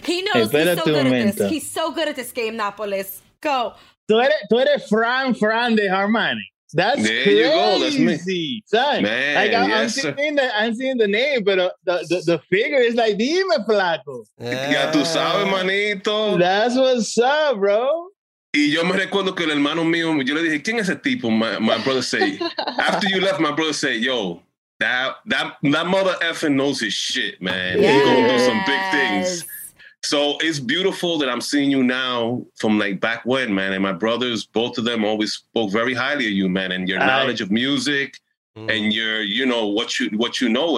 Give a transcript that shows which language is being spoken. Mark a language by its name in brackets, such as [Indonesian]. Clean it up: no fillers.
[English] He knows he's so good at this game, Napoles. Go. [Spanish] Tú eres Fran de Harmonic. That's [English] there crazy, you go. That's me. Son. Man, like, I'm seeing the name, but the figure is like, [Spanish] dime, flaco. Ya tú sabes, manito. [English] That's what's up, bro. [Spanish] Y yo me recuerdo que el hermano mío, yo le dije, ¿quién es ese tipo? [English] My brother say, after you left, my brother say, yo, that mother effing knows his shit, man. Yes. He's going to do some big things. So it's beautiful that I'm seeing you now from like back when, man. And my brothers, both of them always spoke very highly of you, man. And your knowledge of music and your, you know, what you know.